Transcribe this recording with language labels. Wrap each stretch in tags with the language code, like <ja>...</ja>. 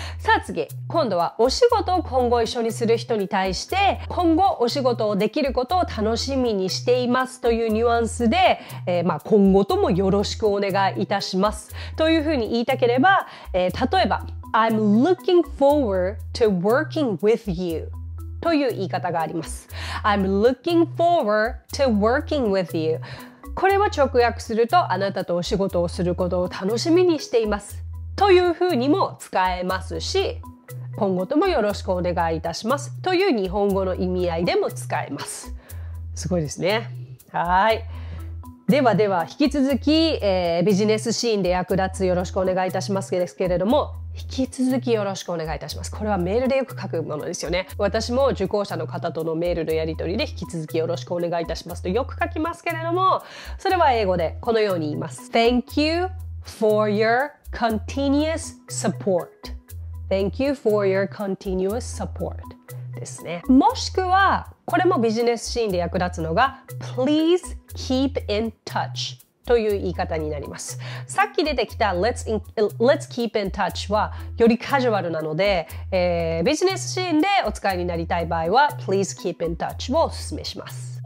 <ja>さあ次、今度はお仕事を今後一緒にする人に対して、今後お仕事をできることを楽しみにしていますというニュアンスで、今後ともよろしくお願いいたしますというふうに言いたければ、例えば</ja> <en>I'm looking forward to working with you</en> <ja>という言い方があります。</ja> <en>I'm looking forward to working with you.</en> <ja>これは直訳すると、あなたとお仕事をすることを楽しみにしていますというふうにも使えますし、今後ともよろしくお願いいたしますという日本語の意味合いでも使えます。すごいですね。はい。ではでは引き続き、ビジネスシーンで役立つよろしくお願いいたしますですけれども、引き続きよろしくお願いいたします。これはメールでよく書くものですよね。私も受講者の方とのメールのやり取りで引き続きよろしくお願いいたしますとよく書きますけれども、それは英語でこのように言います。</ja> <en>Thank you for your continuous support. Thank you for your continuous support</en> <ja>ですね。もしくはこれもビジネスシーンで役立つのが</ja> <en>Please keep in touch</en> <ja>という言い方になります。さっき出てきた</ja> <en>Let's keep in touch</en> <ja>はよりカジュアルなので、ビジネスシーンでお使いになりたい場合は</ja> <en>Please keep in touch</en> <ja>をお勧めします。</ja>